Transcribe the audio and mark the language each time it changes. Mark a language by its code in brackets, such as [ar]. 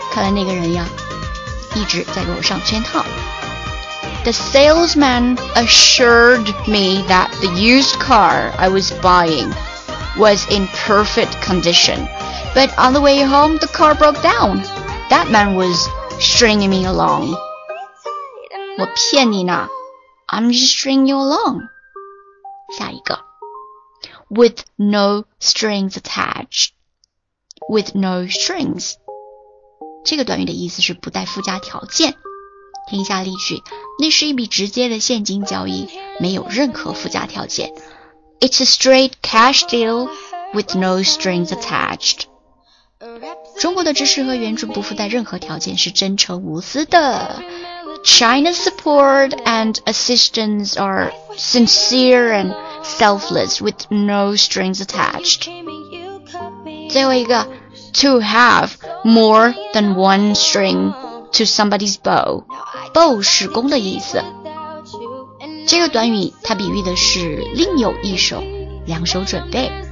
[zh] 看来那个人呀一直在给我上圈套。 [en] The salesman assured me that the used car I was buying was in perfect condition. But on the way home, the car broke down. That man was stringing me along. [zh] 我骗你呢。 [en] I'm just stringing you along. [zh] 下一个。 [en] With no strings attached. With no strings. [zh] 这个短语的意思是不带附加条件。听一下例句，那是一笔直接的现金交易，没有任何附加条件。 [en] It's a straight cash deal with no strings attached. [zh] 中国的支持和援助不附带任何条件，是真诚无私的。 [en] China's support and assistance are sincere and selfless with no strings attached. [zh] 最后一个 [en] ,to have more than one string to somebody's bow. [zh] bow 是弓的意思，这个短语它比喻的是另有一手，两手准备。